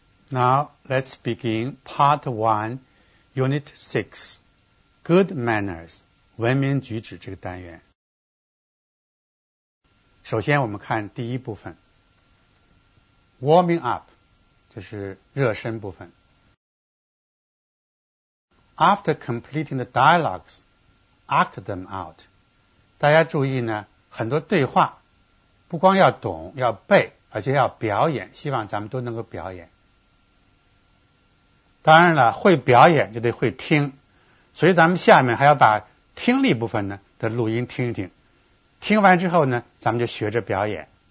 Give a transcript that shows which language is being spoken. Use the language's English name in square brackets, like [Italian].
[English] Now, let's begin Part 1, Unit 6, Good Manners, [Chinese] 文明举止这个单元。首先我们看第一部分 Warming up, 就是热身部分。 [English] After completing the dialogues, act them out. [Chinese] 大家注意呢，很多对话不光要懂要背，而且要表演，希望咱们都能够表演。当然了，会表演就得会听，所以咱们下面还要把听力部分呢的录音听一听，听完之后呢，咱们就学着表演。